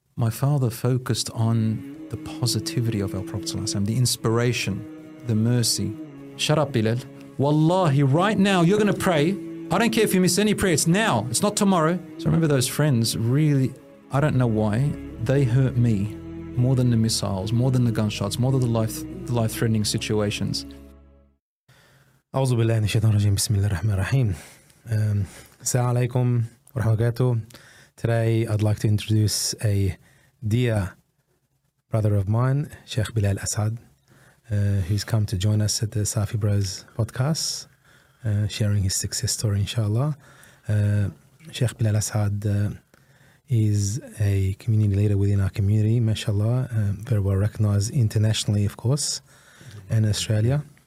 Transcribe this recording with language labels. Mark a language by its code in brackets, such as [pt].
[en] My father focused on the positivity of our Prophet ﷺ, the inspiration, the mercy. Shut up, Bilal. Wallahi, right now, you're going to pray. I don't care if you miss any prayer. It's now. It's not tomorrow. So remember, those friends really, I don't know why, they hurt me more than the missiles, more than the gunshots, more than the life-threatening situations. [ar] أعوذ بالله من الشيطان الرجيم بسم الله الرحمن الرحيم السلام عليكم ورحمة الله وبركاته. [en] Today I'd like to introduce a dear brother of mine, Sheikh Bilal Asad, who's come to join us at the Safi Bros podcast, sharing his success story, inshallah. Sheikh Bilal Asad is a community leader within our community, mashallah, very well recognized internationally, of course, in Australia.